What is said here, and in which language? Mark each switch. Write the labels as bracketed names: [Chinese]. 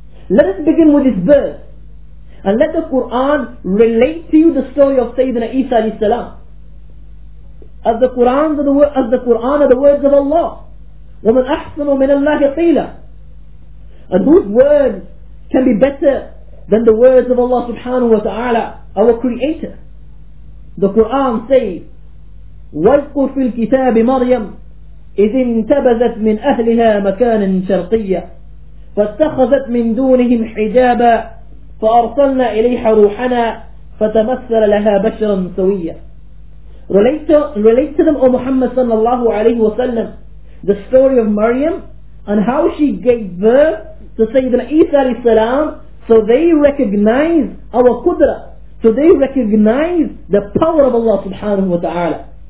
[English] Let us begin with his birth, and let the Quran relate to you the story of Sayyidina Isa alayhi salam. As the Quran are the words of Allah, [Arabic] وَمَنْ أَحْسَنُ مِنَ اللَّهِ قِيلًا, [English] and whose words can be better than the words of Allah subhanahu wa ta'ala, our Creator? The Quran says, [Arabic] وَذْكُرْ فِي الْكِتَابِ مَرْيَمْ إِذِ انْتَبَذَتْ مِنْ أَهْلِهَا مَكَانًا شَرْقِيًّا فَاتَّخَذَتْ مِنْ دُونِهِمْ حِجَابًا فَأَرْسَلْنَا إِلَيْهَا رُوحَنَا فَتَمَثَّلَ لَهَا بَشْرًا سَوِيًّا. [English] Relate to them, O Muhammad sallallahu alayhi wa sallam, the story of Maryam and how she gave birth to Sayyidina Isa alayhi salam, so they recognize our Qudra, so they recognize the power of Allah subhanahu wa ta'ala.